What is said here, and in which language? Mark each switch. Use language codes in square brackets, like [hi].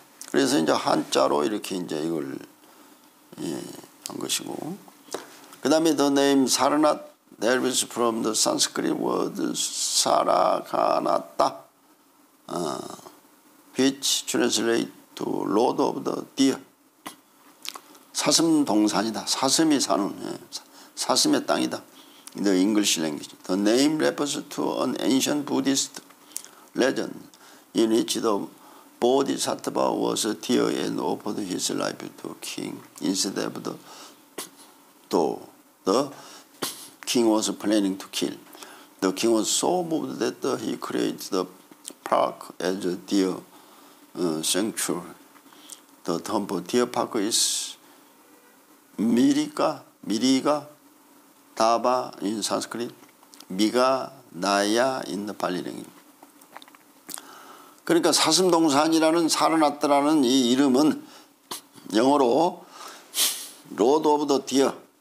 [ko] 그래서 이제 한자로 이렇게 이제 이걸 한 것이고 그 다음에 [en] the name Saranat derives from the Sanskrit word Saraganatta which translate to Lord of the Deer. [ko] 사슴 동산이다. 사슴이 사는 사슴의 땅이다. [en] The English language. The name refers to an ancient Buddhist legend in which the Bodhisattva was a deer and offered his life to king instead of the doe. The king was planning to kill. The king was so moved that he created the park as a deer sanctuary. The temple deer park is Miriga Dhaba in Sanskrit, Miga Naya in the Pali language. [ko] 그러니까 사슴동산이라는 사르나트라는 이 이름은 영어로 Lord of the Deer,